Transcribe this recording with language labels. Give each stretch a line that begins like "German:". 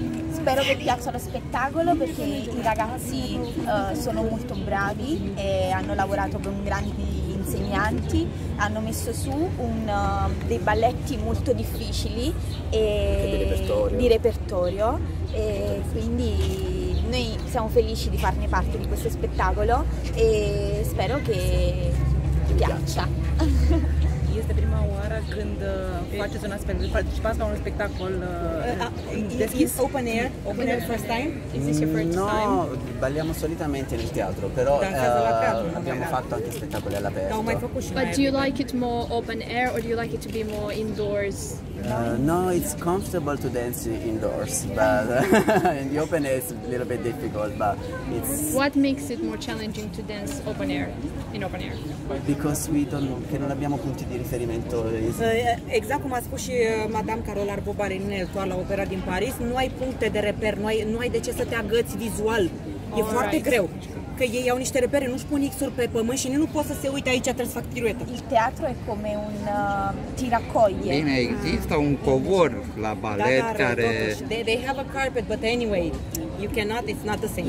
Italian: Spero che piaccia lo spettacolo perché i ragazzi sono molto bravi e hanno lavorato con grandi insegnanti, hanno messo su dei balletti molto difficili e di repertorio e quindi noi siamo felici di farne parte di questo spettacolo e spero che piaccia.
Romanian: Este prima oară când faceți un astfel de participați la un spectacol deschis
English: open air first time.
Italian: No, balliamo solitamente nel teatro, però abbiamo fatto anche spettacoli all'aperto.
English: But do you like it more open air or do you like it to be more indoors? No, it's comfortable to dance indoors, but in the open air it's a little bit difficult, but it's... What makes it more challenging to dance open air, in open air? Because we don't know,
Italian: che non abbiamo punti di riferimento.
Romanian: Exact cum a spus și Madame Carole Arbobare în toată la opera din Paris, nu ai puncte de reper, nu ai de ce să te agăți vizual. E foarte greu. Că ei au niște repere, nu-și pun X-uri pe pământ și nici nu pot să se uite aici, trebuie să fac piruetă.
Italian: Il teatro e come un tiracoglie.
Romanian: Bine, există un covor la balet care...
English: They have a carpet, but anyway, you cannot, it's not the same thing.